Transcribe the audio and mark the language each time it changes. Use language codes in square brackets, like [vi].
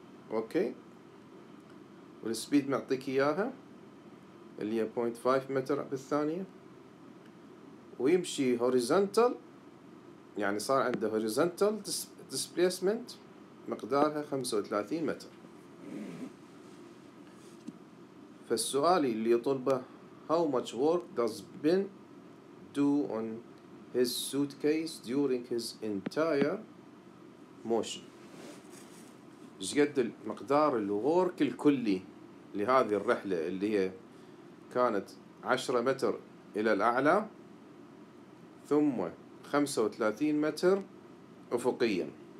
[ar] اوكي والسبيد معطيك اياها اللي هي 0.5 متر بالثانية ويمشي horizontal يعني صار عنده horizontal displacement مقدارها 35 متر. [en] فالسؤال اللي يطلبه how much work does Ben do on his suitcase during his entire motion. [ar] جد المقدار الورك الكلي لهذه الرحلة اللي هي كانت 10 متر إلى الأعلى ثم 35 متر أفقيا.